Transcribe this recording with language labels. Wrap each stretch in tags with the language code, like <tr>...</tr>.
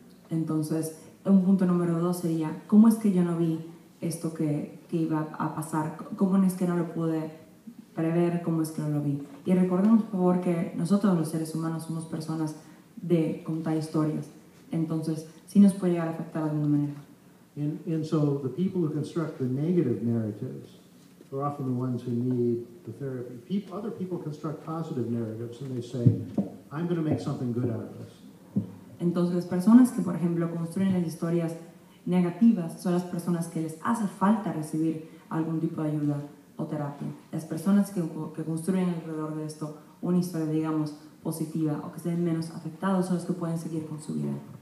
<es>Entonces, un punto número dos sería, ¿cómo es que yo no vi esto que iba a pasar? ¿Cómo es que no lo pude prever? ¿Cómo es que no lo vi? Y recordemos, por favor, que nosotros los seres humanos somos personas de contar historias. Entonces, sí nos puede llegar a afectar de alguna manera.</es> <en>And so the people who construct the negative narratives are often the ones who need the therapy. Other people construct positive narratives and they say, I'm going to make something good out of this.</en> <es>Entonces, las personas que, por ejemplo, construyen las historias negativas son las personas que les hace falta recibir algún tipo de ayuda o terapia. Las personas que construyen alrededor de esto una historia, digamos, positiva o que estén menos afectados son los que pueden seguir con su vida.</es>